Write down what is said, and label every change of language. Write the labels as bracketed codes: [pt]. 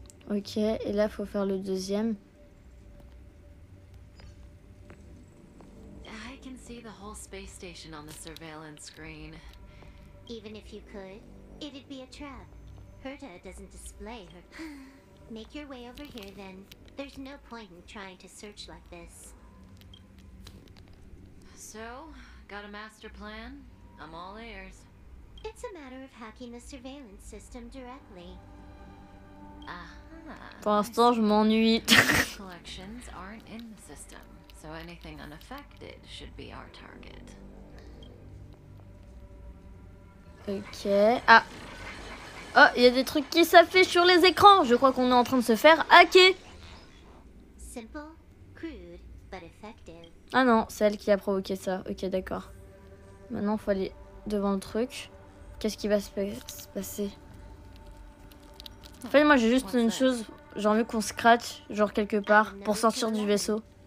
[fr] Ok, et là faut faire le deuxième. [en] I can see the whole space station on the surveillance screen. Even if you could, it'd be a trap. Herta doesn't display her. Make your way over here then. There's no point in trying to search like this. So, got a master plan? I'm all ears. It's a matter of hacking the surveillance system directly. [fr] Pour l'instant, je m'ennuie. [en] Collections aren't in the system, so anything unaffected should be our target. Ok. Ah. [fr] Oh, il y a des trucs qui s'affichent sur les écrans. Je crois qu'on est en train de se faire hacker. [en] Simple, crude, but effective. [fr] Ah non, c'est elle qui a provoqué ça. Ok, d'accord. Maintenant, faut aller devant le truc. Qu'est-ce qui va se passer? En fait, moi j'ai juste une chose, j'ai envie qu'on scratch, genre quelque part, pour sortir du vaisseau.